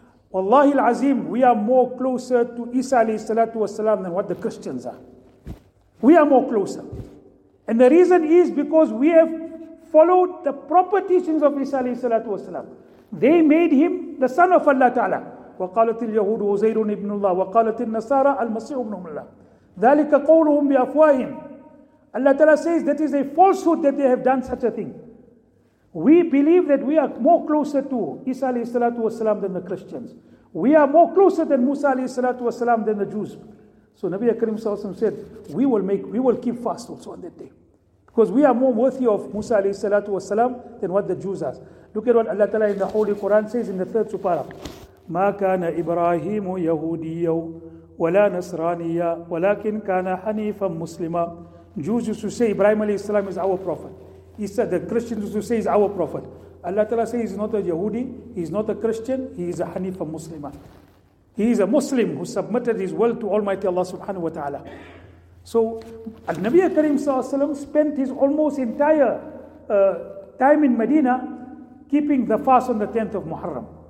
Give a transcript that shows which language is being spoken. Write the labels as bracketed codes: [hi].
[en] Wallahi al-Azim, we are more closer to Isa alayhi salatu wa salam than what the Christians are. We are more closer. And the reason is because we have followed the proper teachings of Isa alayhi salatu wa salam. They made him the son of Allah Ta'ala. [ar] وقالت اليهود عزير ابن الله وقالت النصارى المسيح ابن الله ذلك قولهم بأفواههم. [en] Allah Ta'ala says that is a falsehood that they have done such a thing. We believe that we are more closer to Isa alayhi salatu wasalam than the Christians. We are more closer than Musa alayhi salatu wasalam than the Jews. So Nabi Karim sallallahu alayhi wasallam said, we will keep fast also on that day, because we are more worthy of Musa alayhi salatu wasalam than what the Jews are. Look at what Allah Ta'ala in the Holy Quran says in the third surah. [ar] ما كان إبراهيم يهوديا ولا نصرانيا ولكن كان حنيفا مسلما. [en] Jews used to say Ibrahim alayhi salam is our prophet. He said the Christians used to say is our prophet. Allah Ta'ala says he's not a Yahudi, he's not a Christian, he is a Hanifa Muslima. He is a Muslim who submitted his will to Almighty Allah subhanahu wa ta'ala. So Al-Nabi Karim sallallahu alayhi wa sallam spent his almost entire time in Medina keeping the fast on the 10th of Muharram.